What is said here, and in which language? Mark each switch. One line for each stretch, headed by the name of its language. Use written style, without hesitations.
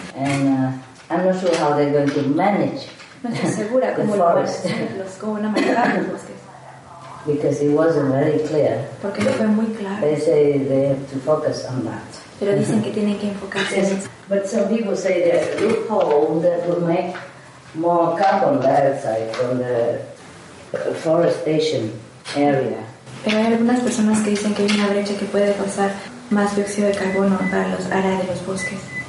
English: And I'm not sure how they're going to manage.
Spanish: No estoy segura cómo van a manejar los bosques.
English: Because it wasn't very clear.
Spanish: Porque no fue muy claro.
English: They say they have to focus on that.
Spanish: Pero dicen que tienen que enfocarse en eso.
English: But some people say there's a loophole that will make more carbon dioxide from the forestation area.
Spanish: Pero hay algunas personas que dicen que hay una brecha que puede causar más dióxido de carbono para los áreas de los bosques.